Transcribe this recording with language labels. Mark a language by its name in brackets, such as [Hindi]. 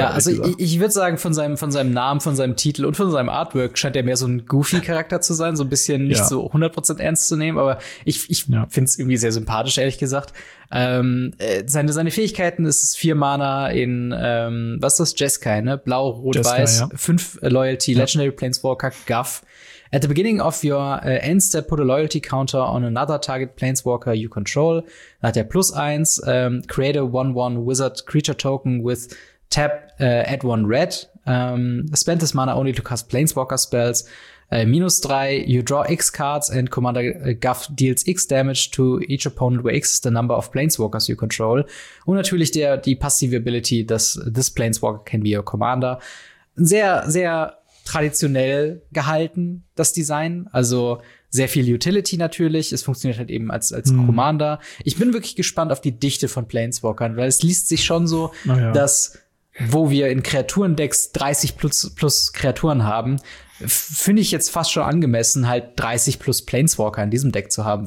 [German] Ja, also ich würde sagen, von seinem Namen, von seinem Titel und von seinem Artwork scheint er mehr so ein Goofy-Charakter zu sein. So ein bisschen nicht so 100% ernst zu nehmen. Aber ich finde es irgendwie sehr sympathisch, ehrlich gesagt. Seine Fähigkeiten ist 4 Mana in, was ist das? Jeskai, ne? Blau, Rot, Jeskai, Weiß. Ja. 5 Loyalty, Legendary Planeswalker, Guff. [English] At the beginning of your end step, put a Loyalty Counter on another target Planeswalker you control. [German] Dann hat er +1. [English] Create a 1/1 Wizard Creature Token with Tap, add 1 Red. Spend this mana only to cast Planeswalker Spells. -3, you draw X cards and Commander Guff deals X damage to each opponent where X is the number of Planeswalkers you control. [German] Und natürlich die passive Ability, dass [English] this Planeswalker can be your Commander. [German] Sehr, sehr traditionell gehalten, das Design. Also sehr viel Utility natürlich. Es funktioniert halt eben als Commander. Ich bin wirklich gespannt auf die Dichte von Planeswalkern, weil es liest sich schon so, dass wo wir in Kreaturendecks 30 plus Kreaturen haben, finde ich jetzt fast schon angemessen, halt 30 plus Planeswalker in diesem Deck zu haben.